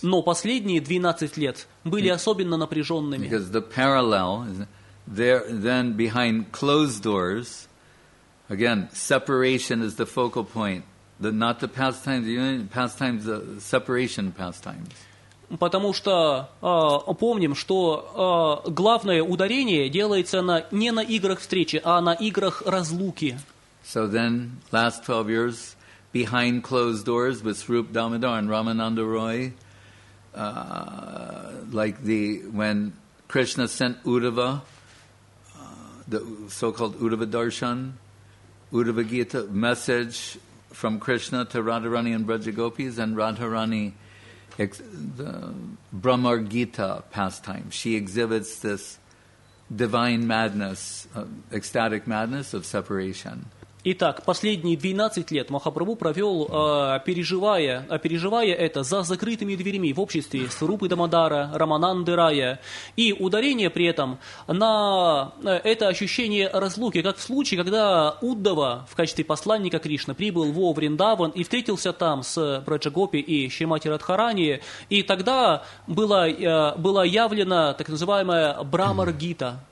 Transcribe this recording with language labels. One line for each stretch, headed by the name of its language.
Russian: Но последние 12 лет были особенно напряженными.
English: Because the parallel, there, then behind closed doors, again, separation is the focal point, the, not the pastimes, the union pastimes, the separation pastimes.
Russian: Потому что помним, что главное ударение делается на, не на играх встречи, а на играх разлуки.
English: So then, last 12 years, behind closed doors with Srup Damodar and Ramananda Roy, like the when Krishna sent Uddhava, the so-called Uddhava Darshan, Uddhava Gita message from Krishna to Radharani and Brajagopis, and Radharani, the Brahma Gita pastime. She exhibits this divine madness, ecstatic madness of separation.
Russian: Итак, последние 12 лет Махапрабху провел, переживая это за закрытыми дверями в обществе Сурупы Дамодара, Рамананды Рая, и ударение при этом на это ощущение разлуки, как в случае, когда Уддава в качестве посланника Кришны прибыл во Вриндаван и встретился там с Браджагопи и Шримати Радхарани, и тогда была, была явлена так называемая Брамар-гита.